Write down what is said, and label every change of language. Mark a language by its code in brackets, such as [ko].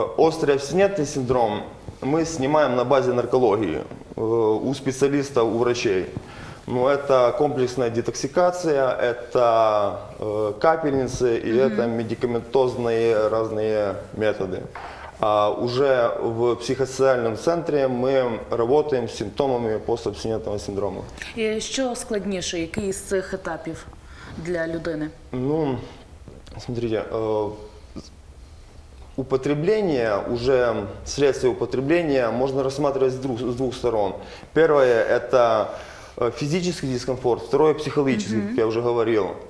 [ru] Острый абстинентный синдром мы снимаем на базе наркологии у специалистов, у врачей. Но это комплексная детоксикация, это капельницы и это медикаментозные разные методы. А уже [uk] в психосоціальному центрі ми працюємо з симптомами постабстинентного синдрому. І що складніше, який з цих етапів для людини? [ru] Ну, смотрите, употребление, уже следствие употребления [uk] можна [ru] рассматривать з двух сторон. [uk] Перше [ru] – это физический дискомфорт, второе – психологический, как я уже говорил.